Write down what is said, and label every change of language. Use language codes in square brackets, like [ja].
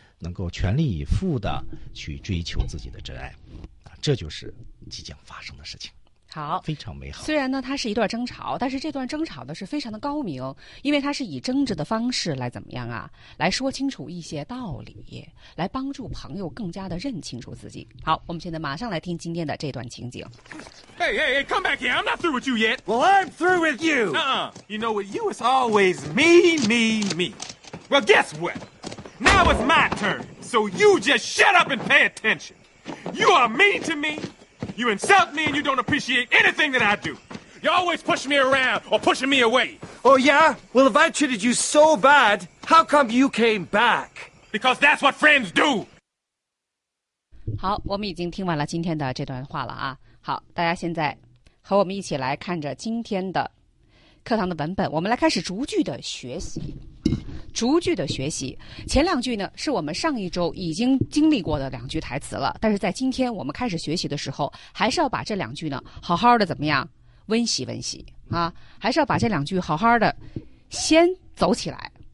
[zh] 能够全力以赴地去追求自己的真爱，啊，这就是即将发生的事情。好，非常美好。虽然呢，它是一段争吵，但是这段争吵呢是非常的高明，因为它是以争执的方式来怎么样啊，来说清楚一些道理，来帮助朋友更加的认清楚自己。好，我们现在马上来听今天的这段情景。 [en] Hey, hey, hey, come back here. I'm not through with you yet. Well, I'm through with you. You know what? You is always me, me, me. Well, guess what? Now it's my turn. So you just shut up and pay attention. You are mean to me. You insult me and you don't appreciate anything that I do. You're always pushing me around or pushing me away. Oh, yeah? Well, if I treated you so bad, how come you came back? Because that's what friends do. [zh] 好，我们已经听完了今天的这段话了啊。好，大家现在和我们一起来看着今天的课堂的文本，我们来开始逐句的学习。逐句的学习，前两句呢是我们上一周已经经历过的两句台词了，但是在今天我们开始学习的时候，还是要把这两句呢好好的怎么样温习温习啊，还是要把这两句好好的先走起来。